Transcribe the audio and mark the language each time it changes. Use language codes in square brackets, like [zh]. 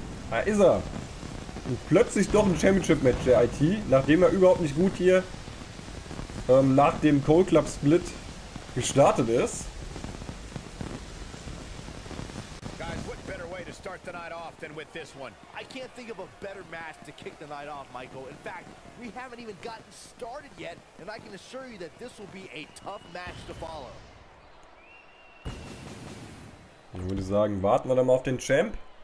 [de] Da ist er. Und plötzlich doch ein Championship-Match der IT, nachdem er überhaupt nicht gut hier nach dem Cold Club-Split gestartet ist. [en] Guys, what better way to start the night off than with this one? I can't think of a better match to kick the night off, Michael. In fact, we haven't even gotten started yet, and I can assure you that this will be a tough match to follow. [de] Ich würde sagen, warten wir dann mal auf den Champ.